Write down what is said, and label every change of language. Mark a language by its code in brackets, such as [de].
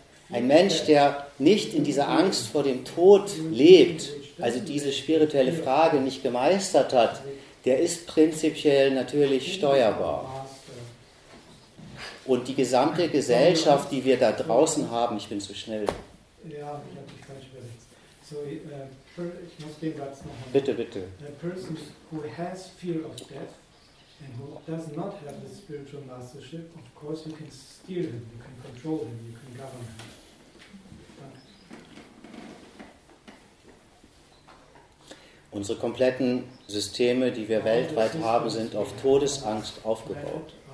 [de] Ein Mensch, der nicht in dieser Angst vor dem Tod lebt, also diese spirituelle Frage nicht gemeistert hat, der ist prinzipiell natürlich steuerbar. Und die gesamte Gesellschaft, die wir da draußen haben, ich bin zu schnell. Ja, ich habe mich falsch übersetzt. So, ich muss den Satz noch machen. Bitte, bitte. [en] A person who has fear of death and who does not have the spiritual mastership, of course you can steer him, you can control him, you can govern him. [de] Unsere kompletten Systeme, die wir weltweit haben, sind auf Todesangst aufgebaut.